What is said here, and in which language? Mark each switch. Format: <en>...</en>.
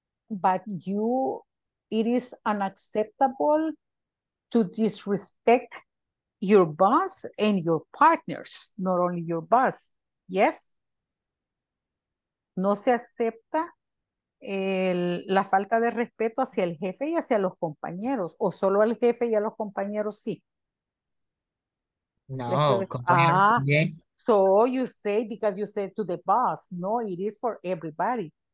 <en>But it is unacceptable to disrespect your boss and your partners, not only your boss. Yes?</en> <es>No se acepta la falta de respeto hacia el jefe y hacia los compañeros, o solo al jefe y a los compañeros, sí. No, compañeros también.</es> <en>So you say, because you said to the boss, no, it is for everybody.</en>